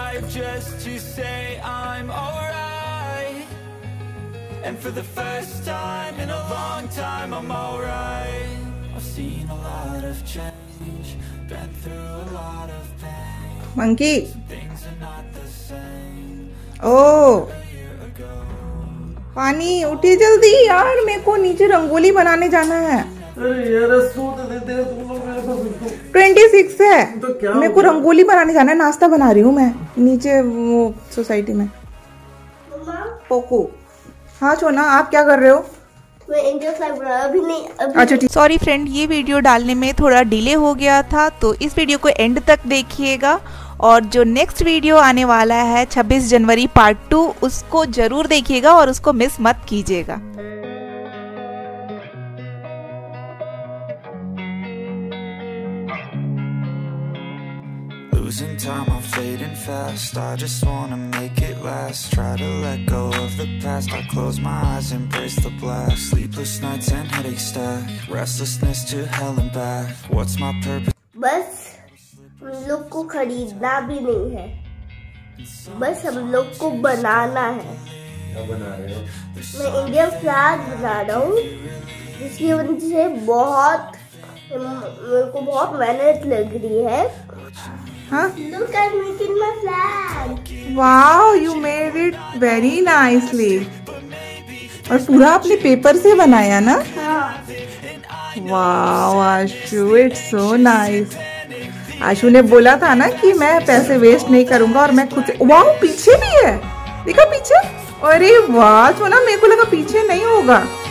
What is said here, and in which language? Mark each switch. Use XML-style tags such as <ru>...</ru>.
<en>just to say I'm alright, and for the first time in a long time I'm alright. I've seen a lot of change, been through a lot of pain. Monkey. Some things are not the same. Oh.</en> <hi>पानी उठे जल्दी यार, मेरे को नीचे रंगोली बनाने जाना है। तो रंगोली बनाने जाना है, नाश्ता बना रही हूँ मैं नीचे वो सोसाइटी में। पोको, हाँ छोना, आप क्या कर रहे हो? अभी नहीं। सॉरी फ्रेंड, ये वीडियो डालने में थोड़ा डिले हो गया था, तो इस वीडियो को एंड तक देखिएगा, और जो नेक्स्ट वीडियो आने वाला है 26 जनवरी पार्ट 2, उसको जरूर देखिएगा और उसको मिस मत कीजिएगा।</hi> <en>Lose losing time, I'm fading fast. I just wanna make it last. Try to let go of the past. I close my eyes, embrace the blast. Sleepless nights and headache stack. Restlessness to hell and back. What's my purpose?</en> <hi>बस हम लोग को खरीदना भी नहीं है, बस हम लोग को बनाना है। बना रहे हो? मैं इंडियन फ्लैग बना रहा हूँ, जिसकी वजह से बहुत मेरे को बहुत मेहनत लग रही है।</hi> <en>Look at making my flag. Wow, you made it very nicely.</en> <hi>और पूरा आपने पेपर से बनाया ना?</hi> <en>Wow, Ashu, it's so nice.</en> <hi>आशु ने बोला था ना कि मैं पैसे वेस्ट नहीं करूंगा और मैं खुद से। वाओ, पीछे भी है, देखा पीछे? अरे वाह, सोना, मेरे को लगा पीछे नहीं होगा।</hi>